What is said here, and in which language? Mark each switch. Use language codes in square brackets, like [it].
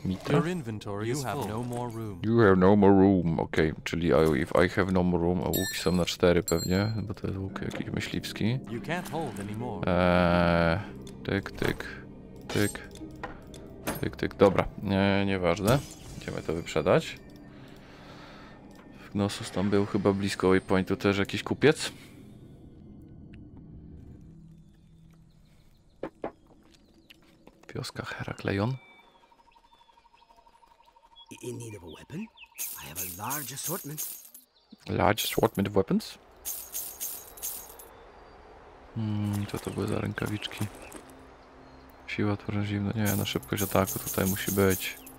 [en] Your inventory, you have no more room. You have no more room. Okej, okay. [pl] Czyli [en] if I have no more room, [pl] a łuki są na 4 pewnie, bo to jest łuk jakiś myśliwski. [en] You can't hold anymore. Tyk, tyk, tyk, tyk, tyk. [pl] Dobra, nieważne. Idziemy to wyprzedać. W Gnosus tam był chyba blisko waypointu też jakiś kupiec. Wioska Herakleion. [en] In need of a weapon? I have a large assortment. Large assortment of weapons? [pl] Co to były za rękawiczki? Siła tworzy zimno. Nie, na szybkość ataku tutaj musi być.